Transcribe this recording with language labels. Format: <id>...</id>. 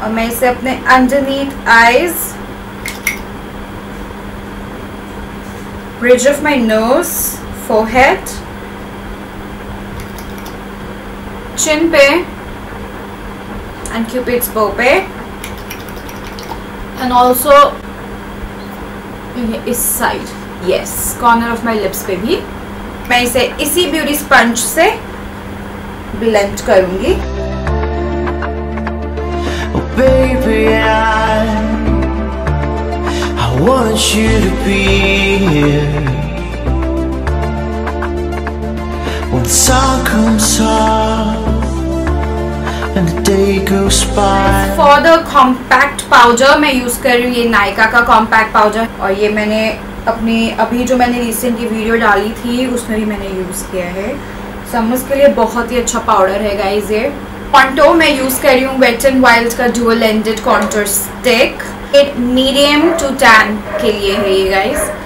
<hi>और मैं इसे अपने</hi> <en>Underneath eyes, bridge of my nose, forehead, chin पे and cupid's bow पे and also इस side, yes, corner of my lips पे भी.</en> <hi>मैं इसे इसी ब्यूटी स्पंज से ब्लेंड करूंगी.</hi> <en>Oh baby, I want you to be here when the sun comes up and the day goes by. For the compact powder</en> <hi>मैं use कर रही हूँ ये नायका का कॉम्पैक्ट पाउडर और ये मैंने अपने अभी जो मैंने रिसेंटली वीडियो डाली थी उसमें भी मैंने यूज़ किया है। समर्स के लिए बहुत ही अच्छा पाउडर है गाइज ये। पंटो मैं यूज़ कर रही हूँ वेट एंड वाइल्ड का dual ended contour stick, it medium to tan के लिए है ये गाइज।</hi>